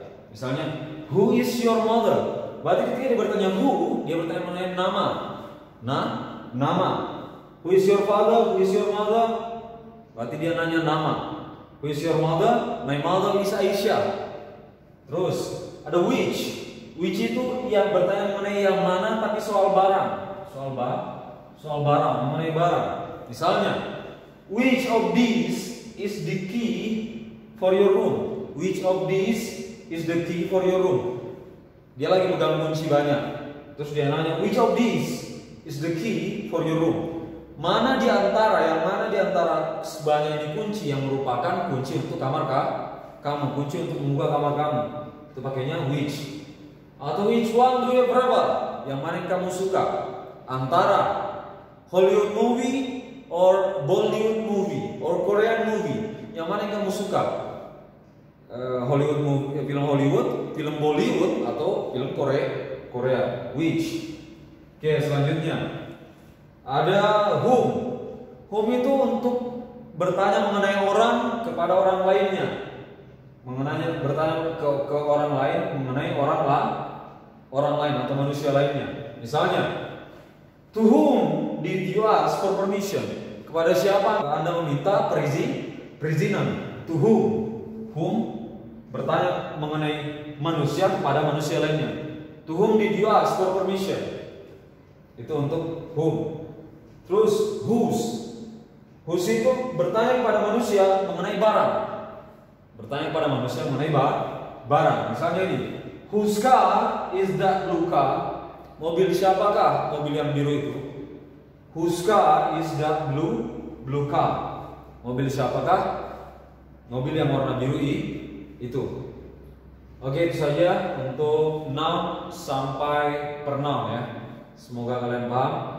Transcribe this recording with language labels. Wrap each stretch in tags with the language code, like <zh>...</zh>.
<id>Misalnya,</id> <en>who is your mother?</en> <id>Berarti ketika dia bertanya who, dia bertanya mengenai nama. Nama.</id> <en>Who is your father? Who is your mother?</en> <id>Berarti dia nanya nama.</id> <en>Who is your mother? My mother is Aisha.</en> <id>Terus, ada</id> <en>which.</en> <id>Which itu yang bertanya mengenai yang mana tapi soal barang. Soal barang, mengenai barang.</id> <en>Misalnya, which of these is the key for your room? Which of these is the key for your room?</en> <id>Dia lagi pegang kunci banyak. Terus dia nanya,</id> <en>which of these is the key for your room?</en> <id>Mana di antara, yang mana di antara sebanyak ini kunci yang merupakan kunci untuk kamar kamu, kunci untuk membuka kamar kamu. Itu pakainya</id> <en>which. Atau which one do you prefer?</en> <id>Yang mana yang kamu suka? Antara</id> <en>Hollywood movie or Bollywood movie or Korean movie.</en> <id>Yang mana yang kamu suka? Hollywood movie, film Hollywood, film Bollywood atau film Korea? Which? Oke, selanjutnya ada whom. Whom itu untuk bertanya mengenai orang kepada orang lainnya. Mengenanya bertanya ke orang lain mengenai orang lain atau manusia lainnya. Misalnya,</id> <en>to whom did you ask for permission?</en> <id>Kepada siapa Anda meminta perizinan?</id> <en>To whom?</en> <id>Whom bertanya mengenai manusia kepada manusia lainnya.</id> <en>To whom did you ask for permission?</en> <id>Itu untuk</id> <en>whom.</en> <id>Terus</id> <en>whose?</en> <id>Whose itu bertanya kepada manusia mengenai barang. Bertanya kepada manusia mengenai barang. Misalnya ini,</id> <en>whose car is that blue car?</en> <id>Mobil siapakah mobil yang biru itu?</id> <en>Whose car is that blue car?</en> <id>Mobil siapakah mobil yang warna biru itu? Oke, itu saja untuk noun sampai pronoun ya. Semoga kalian paham.</id>